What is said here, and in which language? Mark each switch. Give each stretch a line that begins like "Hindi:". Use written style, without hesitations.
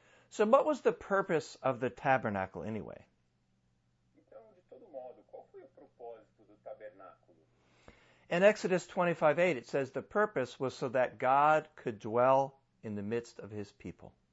English: So what was the purpose of the tabernacle anyway?
Portuguese: Então, de todo modo, qual foi o propósito do tabernáculo?
English: In Exodus 25:8, it says the purpose was so that God could dwell in the midst of his people.